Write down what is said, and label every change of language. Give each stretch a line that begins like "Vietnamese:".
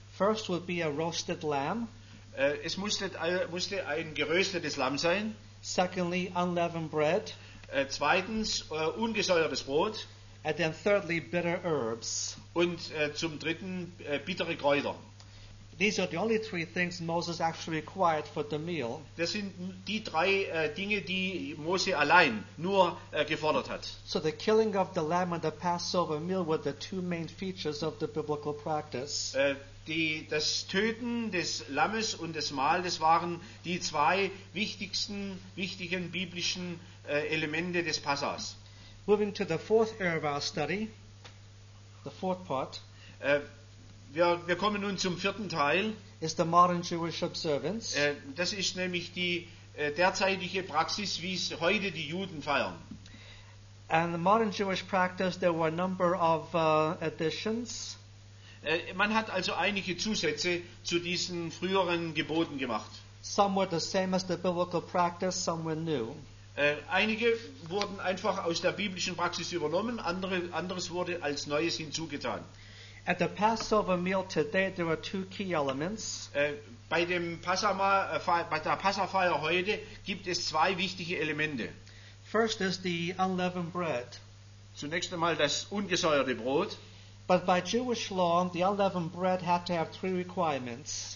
English: First would be a roasted lamb.
German: Es musste ein geröstetes Lamm sein.
English: Secondly, unleavened bread.
German: Zweitens, ungesäuertes Brot.
English: And then thirdly, bitter herbs.
German: Und zum Dritten, bittere Kräuter.
English: These are the only three things Moses actually required for the meal.
German: Das sind die drei Dinge, die Mose allein nur gefordert hat.
English: So the killing of the lamb and the Passover meal were the two main features of the biblical practice.
German: Das Töten des Lammes und des Mahl, das waren die zwei wichtigen biblischen Elemente des Passas.
English: Moving to the fourth area of our study, the fourth part.
German: Wir kommen nun zum vierten Teil.
English: Is the modern Jewish observance.
German: Das ist nämlich die derzeitige Praxis, wie es heute die Juden feiern.
English: And the modern Jewish practice, there were a number of additions.
German: Man hat also einige Zusätze zu diesen früheren Geboten gemacht.
English: Some were the same as the biblical practice, some were new.
German: Einige wurden einfach aus der biblischen Praxis übernommen, anderes wurde als Neues hinzugetan.
English: At the Passover meal today, there are two key elements.
German: Bei der Passafeier heute gibt es zwei wichtige Elemente.
English: First is the unleavened bread.
German: Zunächst einmal das ungesäuerte Brot.
English: But by Jewish law, the unleavened bread had to have three requirements.